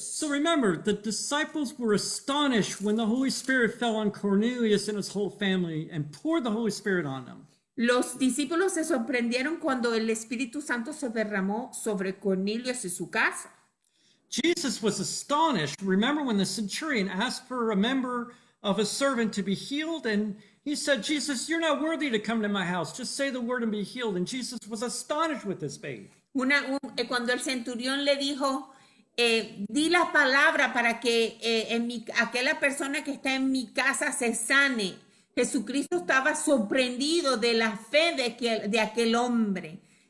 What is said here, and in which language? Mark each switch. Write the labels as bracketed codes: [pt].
[en] So remember, the disciples were astonished when the Holy Spirit fell on Cornelius and his whole family and poured the Holy Spirit on them. [es] Los discípulos se sorprendieron cuando el Espíritu Santo se derramó sobre Cornelius y su casa. [en] Jesus was astonished. Remember when the centurion asked for a member of a servant to be healed, and he said, Jesus, you're not worthy to come to my house. Just say the word and be healed. And Jesus was astonished with this faith. [es] Cuando el centurión le dijo, di la palabra para que aquella persona que está en mi casa se sane. Jesucristo estaba sorprendido de la fe de aquel hombre.